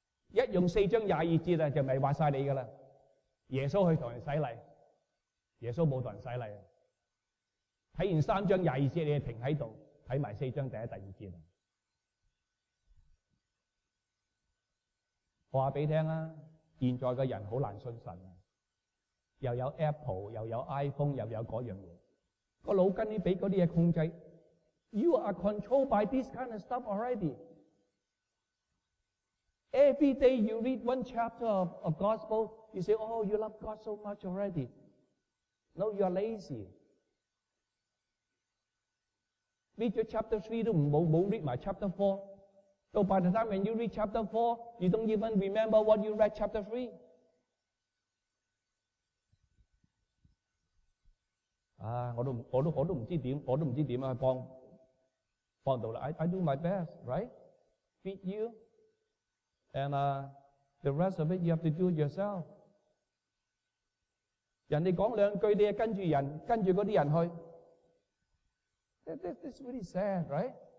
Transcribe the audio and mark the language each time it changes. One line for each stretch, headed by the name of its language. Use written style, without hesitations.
Chinese: 一用4章22節, 就迷惑了你的了。耶穌去跟人洗禮, 耶穌沒有跟人洗禮。看完3章22節, 你就停在這裡, 看完4章第一、第二節。我告訴你, 現在的人很難信神。又有Apple, 又有iPhone, 又有那樣東西。腦筋被那些東西控制,
English: You are controlled by this kind of stuff already. Every day you read one chapter of a gospel, you say, oh, you love God so much already. No, you are lazy. Read your chapter 3, don't read my chapter 4. So by the time when you read chapter 4, you don't even remember what you read chapter 3.
Chinese: Ah, 我都不知道怎樣幫。
English: I do my best, right? Feed you. And the rest of it, you have to do it yourself.
Chinese: 人家說兩句, 你就跟著人, 跟著那些人去。
English: That's really sad, right?